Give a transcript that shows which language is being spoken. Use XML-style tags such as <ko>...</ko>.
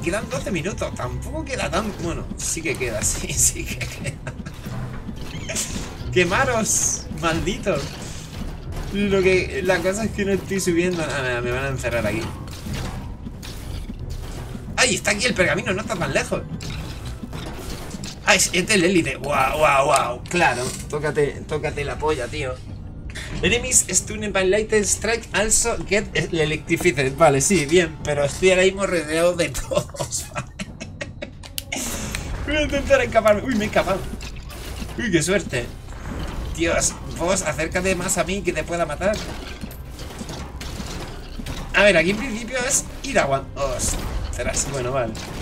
<es>Quedan 12 minutos, tampoco queda tan... Bueno, sí que queda, sí que queda. ¡Quemaros! ¡Maldito! Lo que... La cosa es que no estoy subiendo nada, me van a encerrar aquí. ¡Ay! Está aquí el pergamino, no está tan lejos. Ah, es el élite. Wow. Claro, tócate la polla, tío.</es> <en>Enemies stunned by lightning strike also get electrified.</en> <es>Vale, sí, bien, pero estoy ahora mismo rodeado de todos. Voy a intentar escaparme. Uy, me he escapado. Uy, qué suerte. Dios, vos acércate más a mí que te pueda matar. A ver, aquí en principio es ir a one. Ostras, bueno, vale.</es>